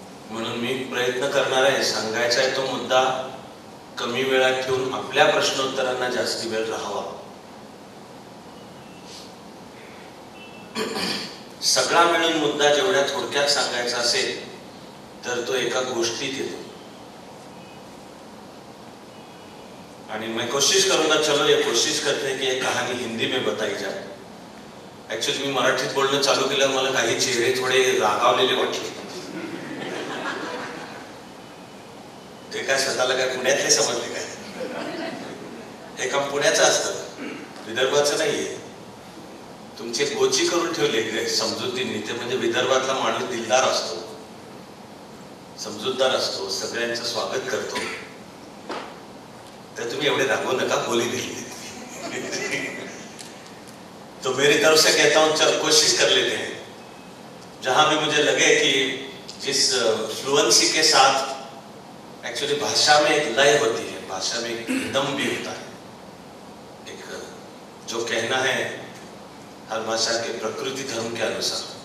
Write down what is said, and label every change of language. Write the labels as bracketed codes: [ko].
[mr] म्हणून मी प्रयत्न करणार आहे, सांगायचा आहे तो मुद्दा कमी वेळात ठेवून आपल्या प्रश्नोत्तरांना जास्ती वेळ राहावा. सगळा मिळून मुद्दा जेवढ्या थोडक्यात सांगायचा असेल तर तो एका गोष्टीत येतो. [hi] आणि मैं कोशिश करूंगा, चलो ये कोशिश करते हैं कि ये कहानी हिंदी में बताई जाए. [mr] एक्चुअली मी मराठीत बोलणं चालू केलं मला काही चेहरे थोडे रागावलेले वाटले. ते काय स्वतःला काय पुण्यातले समजले काय, हे काम पुण्याचं असतं, विदर्भाचं नाहीये. तुमची गोची करून ठेवली समजुतीने, ते म्हणजे विदर्भातला माणूस दिलदार असतो, समजूतदार असतो, सगळ्यांचं स्वागत करतो. तर तुम्ही एवढे दाखवू नका बोली दिली. [hi] तो मेरी तरफ से कहता हूं चल कोशिश कर लेते हैं. जहां भी मुझे लगे कि जिस फ्लुएंसी के साथ, एक्चुअली भाषा में एक लय होती है, भाषा में एक दम भी होता है, एक जो कहना है हर भाषा के प्रकृति धर्म के अनुसार.